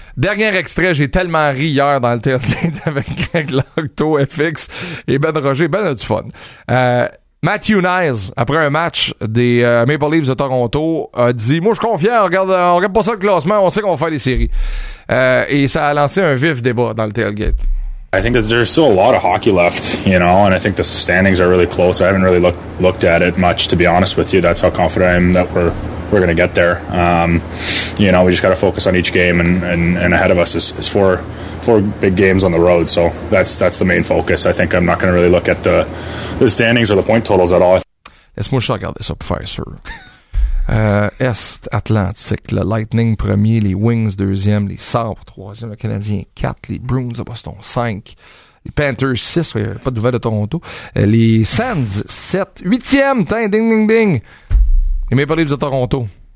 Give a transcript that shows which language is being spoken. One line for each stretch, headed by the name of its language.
French: Dernier extrait, j'ai tellement ri hier dans le théâtre avec Greg Locto, FX et Ben Roger. Ben a du fun. Matthew Nyes, après un match des Maple Leafs de Toronto, a dit « Moi, je suis confiant, on regarde pas ça le classement, on sait qu'on va faire des séries. » Et ça a lancé un vif débat dans le tailgate.
English: « I think that there's still a lot of hockey left, you know, and I think the standings are really close. I haven't really looked at it much, to be honest with you. That's how confident I am that we're going to get there. You know, we just got to focus on each game, and ahead of us is four big games on the road, so that's the main focus. I think I'm not going to really look at the standings or the point totals at all. »
French: Laisse-moi juste regarder ça pour faire sûr. Est, Atlantique, le Lightning premier, les Wings deuxième, les Sabres troisième, le Canadien quatre, les Bruins de Boston cinq, les Panthers six, pas de nouvelles de Toronto, les Sands sept, huitième, tain, ding, ding, ding, les Maple Leafs de Toronto.